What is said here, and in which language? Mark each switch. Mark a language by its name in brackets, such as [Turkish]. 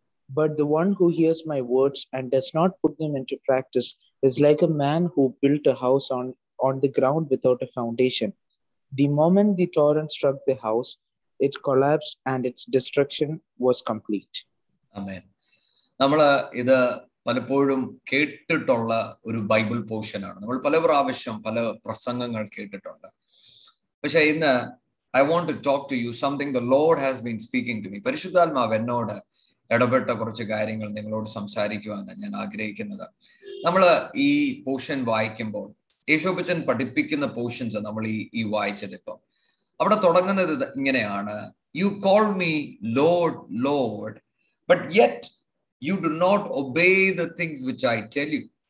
[English] But the one who hears my words and does not put them into practice is like a man who built a house on the ground without a foundation. The moment the torrent struck the house, it collapsed and its destruction was complete. Amen. [Malayalam] നമ്മള് ഇത് പലപ്പോഴും കേട്ടിട്ടുള്ള ഒരു Bible portion ആണ്. നമ്മൾ പല പ്രാവശ്യം പല പ്രസംഗങ്ങൾ കേട്ടിട്ടുണ്ട്. പക്ഷെ ഇന്ന് [English] I want to talk to you something the Lord has been speaking to me. [Malayalam] പരിശുദ്ധാത്മാവ് എന്നോട് ഇടപെട്ട കുറച്ച് കാര്യങ്ങൾ നിങ്ങളോട് സംസാരിക്കുവാനാണ് ഞാൻ ആഗ്രഹിക്കുന്നത്. നമ്മൾ ഈ പോർഷൻ വായിക്കുമ്പോൾ യേശോപ്പച്ചൻ പഠിപ്പിക്കുന്ന പോർഷൻസ് നമ്മൾ ഈ വായിച്ചത് ഇപ്പം അവിടെ തുടങ്ങുന്നത് ഇങ്ങനെയാണ്. [English] You call me lord lord but yet you do not obey the things which I tell you.